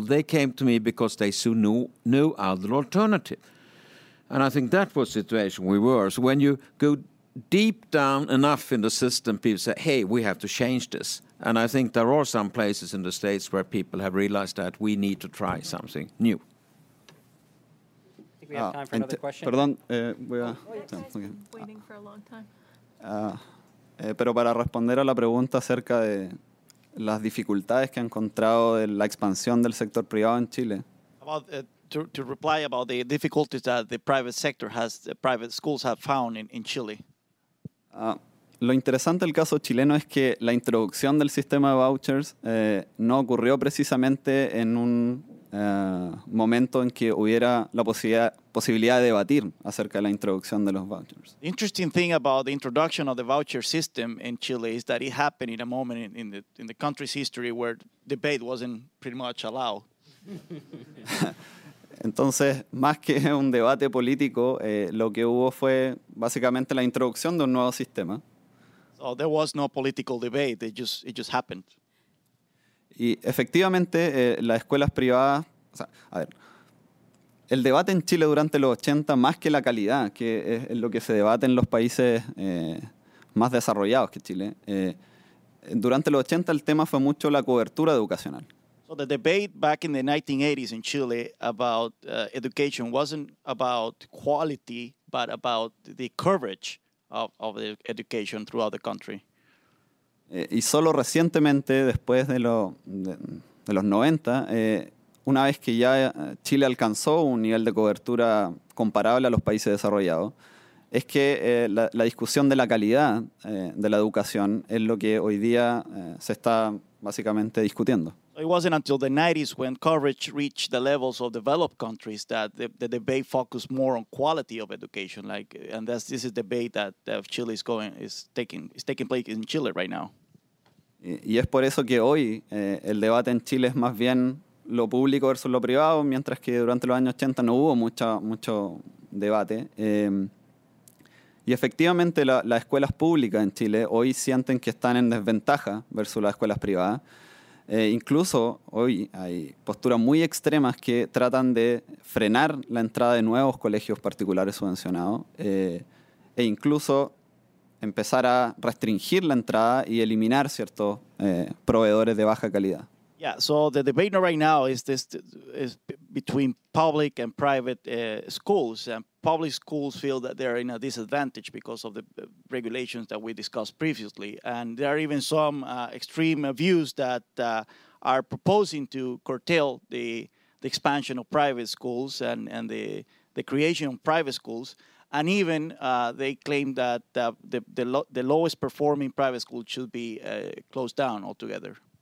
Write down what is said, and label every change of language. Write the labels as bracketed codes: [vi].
[en] They came to me because they saw no other alternative. And I think that was the situation we were. So when you go deep down enough in the system, people say, hey, we have to change this. And I think there are some places in the States where people have realized that we need to try something new. We have time for another question. [es] Perdón, pero para responder a la pregunta acerca de las dificultades que ha encontrado de la expansión del sector privado en Chile. [en] To reply about the difficulties that the private sector has, the private schools have found in Chile. [es] Lo interesante del caso chileno es que la introducción del sistema de vouchers no ocurrió precisamente en un momento en que hubiera la posibilidad de debatir acerca de la introducción de los vouchers. [en] The interesting thing about the introduction of the voucher system in Chile is that it happened in a moment in the country's history where debate wasn't pretty much allowed. [es] Entonces, más que un debate político, lo que hubo fue básicamente la introducción de un nuevo sistema. [en] So there was no political debate, it just happened. [es] Y efectivamente, las escuelas privadas, o sea, a ver, el debate en Chile durante los 80, más que la calidad, que es lo que se debate en los países más desarrollados que Chile, durante los 80 el tema fue mucho la cobertura educacional. [en] So the debate back in the 1980s in Chile about education wasn't about quality, but about the coverage of the education throughout the country. [es] Y solo recientemente, después de los 90, una vez que ya Chile alcanzó un nivel de cobertura comparable a los países desarrollados, es que la discusión de la calidad de la educación es lo que hoy día se está básicamente discutiendo. [en] It wasn't until the 90s when coverage reached the levels of developed countries that the debate focused more on quality of education. This is the debate that Chile is taking place in Chile right now. [es] Y es por eso que hoy el debate en Chile es más bien lo público versus lo privado, mientras que durante los años 80 no hubo mucho debate. Y efectivamente las escuelas públicas en Chile hoy sienten que están en desventaja versus las escuelas privadas. Incluso hoy hay posturas muy extremas que tratan de frenar la entrada de nuevos colegios particulares subvencionados e incluso empezar a restringir la entrada y eliminar ciertos proveedores de baja calidad. [en] Yeah, so the debate right now is between public and private schools, and public schools feel that they're in a disadvantage because of the regulations that we discussed previously, and there are even some extreme views that are proposing to curtail the expansion of private schools and the creation of private schools, and even they claim that the lowest performing private school should be closed down altogether.